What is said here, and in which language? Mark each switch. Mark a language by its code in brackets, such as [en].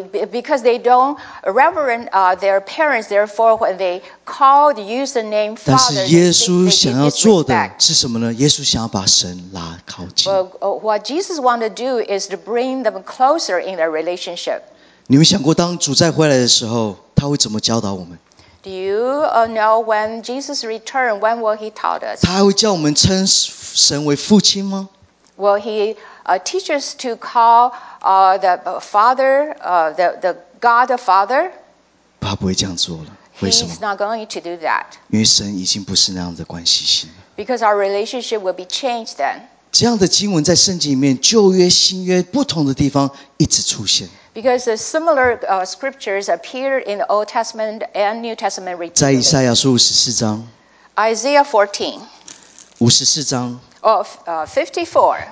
[en] Because they don't reverend their parents, therefore when they called use the name Father, [zh] 但是耶稣想要做的是什么呢？耶稣想要把神拉靠近。 [en] Well, what Jesus want to do is to bring them closer in their relationship. [zh] 你们想过当主再回来的时候，他会怎么教导我们 [en] ？Do you know when Jesus return? When will he taught us? [zh] 他还会叫我们称神为父亲吗 [en] ？Will he teach us to call the Father, the God the Father. [zh] 他不会这样做了。为什么 [en] ？He's not going to do that. [zh] 因为神已经不是那样的关系性了。 [en] Because our relationship will be changed then. [zh] 这样的经文在圣经里面，旧约、新约不同的地方一直出现。 [en] Because the similar scriptures appear in the Old Testament and New Testament. [zh] 在以赛亚书五十四章。 [en] Isaiah 14. [zh] 五十四章。 [en] 54.